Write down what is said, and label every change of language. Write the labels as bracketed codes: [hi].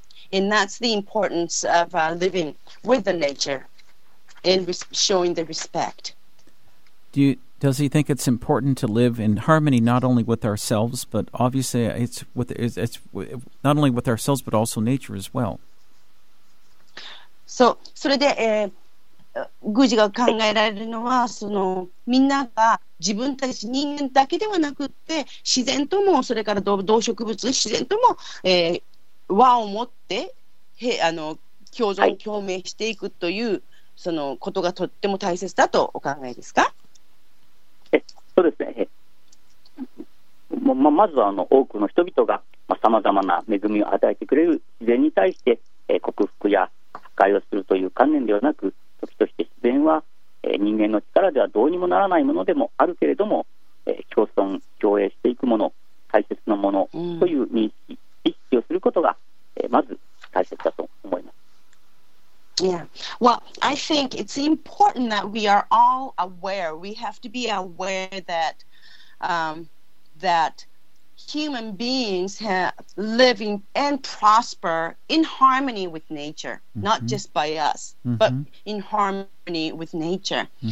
[en] And that's the importance of living with the nature and showing the respect. Does he think it's important to live in harmony not only with ourselves, but obviously it's not only with ourselves, but also nature as well? [ja] So, それで、宮司が考えられるのはそのみんなが自分たち人間だけではなくって自然ともそれから動植物自然とも、和を持って共存共鳴していくという、はい、そのことがとっても大切だとお考えですか。そうですね。まずは多くの人々がさまざまな恵みを与えてくれる自然に対して、克服や破壊をするという観念ではなく時として自然は、人間の力ではどうにもならないものでもあるけれども、共存共栄していくもの大切なものという認識、意識をすることが、まず大切だと思います。 [en] Yeah. Well, I think it's important that we are all aware. We have to be aware that, that human beings have living and prosper in harmony with nature, not just by us, but in harmony with nature.